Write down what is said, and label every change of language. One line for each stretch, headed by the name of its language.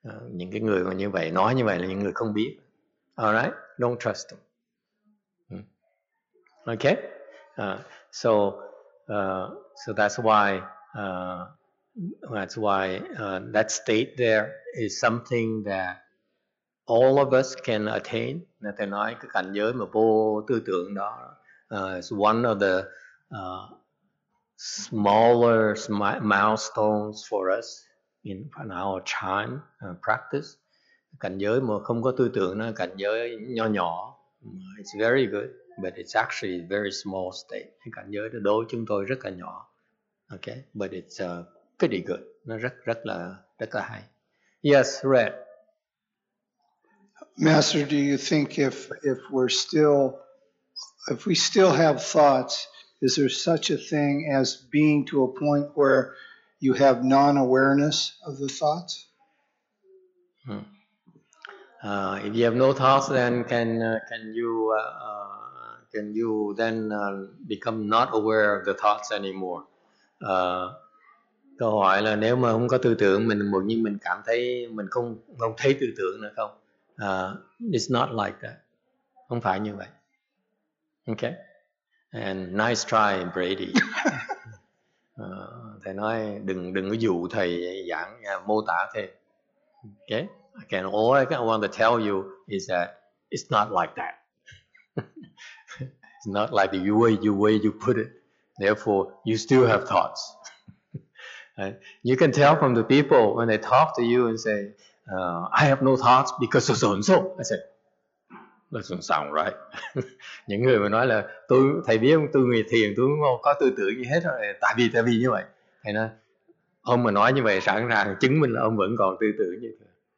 Vietnamese: Những cái người mà như vậy nói như vậy là những người không biết.
English: Alright, don't trust them. Okay, so that's why that state there is something that all of us can attain.
Vietnamese: Nên thầy nói cái cảnh giới mà vô tư tưởng đó
English: is one of the smaller milestones for us in our chan practice.
Vietnamese: Cảnh giới mà không có tư tưởng nó cảnh giới nhỏ nhỏ.
English: It's very good, but it's actually a very small state.
Vietnamese: Cảnh giới đó đối chúng tôi rất là nhỏ.
English: Okay, but it's pretty good.
Vietnamese: Nó rất là hay.
English: Yes, Red. Master, do you think if we still have thoughts, is there such a thing as being to a point where you have non-awareness of the thoughts? If you have no thoughts, then can you then become not aware of the thoughts anymore?
Vietnamese: Câu hỏi là nếu mà không có tư tưởng mình bỗng nhiên mình cảm thấy mình không thấy tư tưởng nữa không?
English: It's not like that.
Vietnamese: Không phải như vậy.
English: Okay. And nice try, Brady.
Vietnamese: Thầy nói đừng có dụ thầy giảng mô tả thêm.
English: Okay. All I want to tell you is that it's not like that. It's not like the way you put it. Therefore, you still have thoughts. You can tell from the people when they talk to you and say, I have no thoughts because of so-and-so. I said, that doesn't sound right.
Vietnamese: Những người mà nói là, thầy biết không, tôi người thiền, tôi không có tư tưởng gì hết rồi, tại vì như vậy. Thầy nói, ông mà nói như vậy, sẵn sàng chứng minh là ông vẫn còn tư tưởng như vậy.